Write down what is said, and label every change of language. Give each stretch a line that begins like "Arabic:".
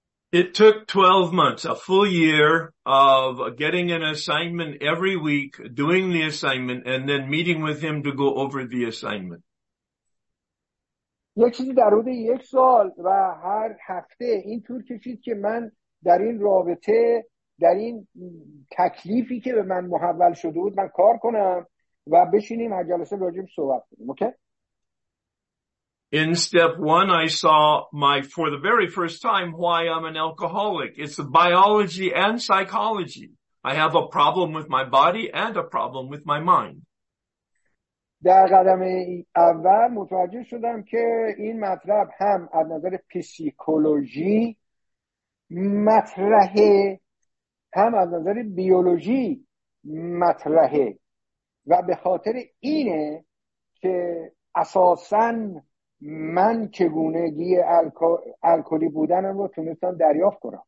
English: It took 12 months, a full year of getting an assignment every week, doing the assignment, and then meeting with him to go over the assignment.
Persian: یک چیزی در حدود یک سال و هر هفته این طور کشید که من در این رابطه، در این تکلیفی که به من محول شده بود، من کار کنم و بشینیم هر جلسه راجب صحبت کنیم.
English: Okay? In step one, I saw my, for the very first time, why I'm an alcoholic. It's the biology and psychology. I have a problem with my body and a problem with my mind.
Persian: در قدم اول متوجه شدم که این مطلب هم از نظر پسیکولوژی مطرحه، هم از نظر بیولوژی مطرحه، و به خاطر اینه که اساساً من چگونگی الکلی بودنم رو تونستم دریافت کنم.